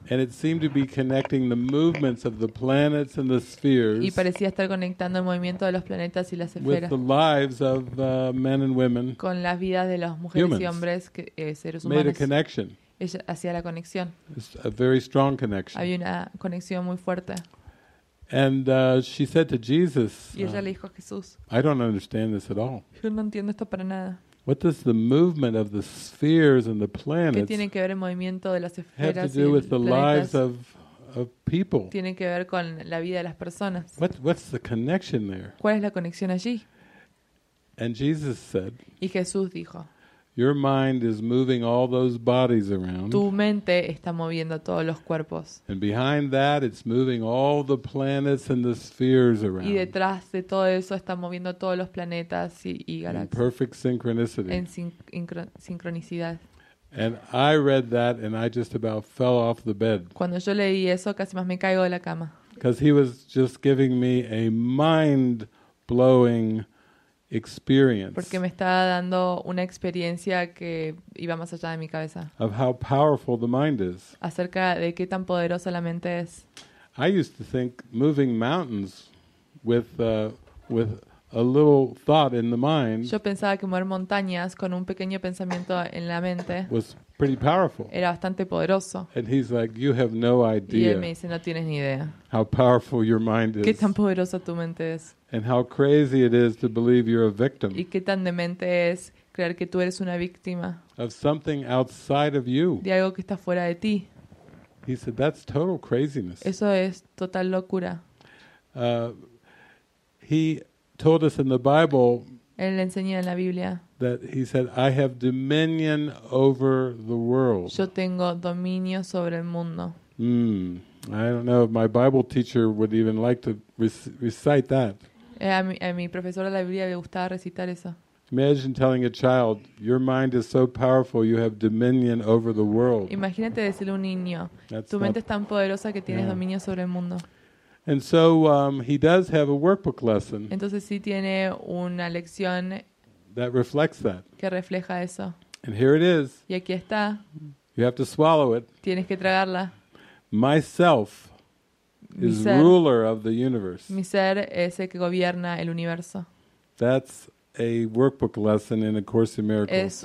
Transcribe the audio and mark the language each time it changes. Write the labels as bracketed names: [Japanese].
[English] And it seemed to be connecting the movements of the planets and the spheres. [Spanish] Y parecía estar conectando el movimiento de los planetas y las esferas. [English] With the lives of men and women. [Spanish] Con las vidas de las mujeres [English] humans, [Spanish] y hombres, que, seres humanos. [English] Made a connection. [Spanish] Ella hacía la conexión. [English] It's a very strong connection. [Spanish] Había una conexión muy fuerte. [English] And she said to Jesus, [Spanish] y ella le dijo a Jesús, [English] I don't understand this at all. [Spanish] Yo no entiendo esto para nada. [English] What does the movement of the spheres and the planets [Spanish] ¿Qué tiene que ver el movimiento de las esferas [English] have to do [Spanish] y el [English] with the [Spanish] planetas? [English] Lives of people? [Spanish] Tiene que ver con la vida de las personas. [English] What's the connection there? [Spanish] ¿Cuál es la conexión allí? [English] And Jesus said, [Spanish] y Jesús dijo, [English] your mind is moving all those bodies around. [Spanish] Tu mente está moviendo todos los cuerpos. [English] And behind that, it's moving all the planets and the spheres around. [Spanish] Y detrás de todo eso está moviendo todos los planetas y galaxias. [English] In perfect synchronicity. [Spanish] En sincronicidad. [English] And I read that, and I just about fell off the bed. [Spanish] Cuando yo leí eso, casi más me caigo de la cama. [English] Because he was just giving me a mind-blowing experience. [Spanish] Porque me estaba dando una experiencia que iba más allá de mi cabeza. [English] Of how powerful the mind is. [Spanish] Acerca de qué tan poderosa la mente es. [English] I used to think moving mountains with a little thought in the mind. [Spanish] Yo pensaba que mover montañas con un pequeño pensamiento en la mente [English] was pretty powerful. [Spanish] Era bastante poderoso. [English] And he's like, you have no idea. [Spanish] Y él me dice, no tienes ni idea. [English] How powerful your mind is. [Spanish] Qué tan poderosa tu mente es. [English] And how crazy it is to believe you're a victim. [Spanish] Y qué tan demente es creer que tú eres una víctima. [English] Of something outside of you. [Spanish] De algo que está fuera de ti. [English] He said, that's total craziness. [Spanish] Eso es total locura. [English] He told us in the Bible. [Spanish] Él le enseñó en la Biblia. [English] That he said, I have dominion over the world. [Spanish] Yo tengo dominio sobre el mundo. Hmm. [English] I don't know if my Bible teacher would even like to recite that. [Spanish] A mi profesora de la Biblia le gustaba recitar eso. [English] Imagine telling a child, your mind is so powerful you have dominion over the world. [Spanish] Imagínate decirle a un niño, tu mente es tan poderosa que tienes dominio sobre el mundo. [English] And so he does have a workbook lesson. [Spanish] Entonces sí tiene una lección [English] that reflects that. [Spanish] Que refleja eso. [English] And here it is. [Spanish] Y aquí está. [English] You have to swallow it. [Spanish] Tienes que tragarla. [English] Myself is ruler of the universe. [Spanish] Mi ser es el que gobierna el universo. [English] That's a workbook lesson in A Course in Miracles.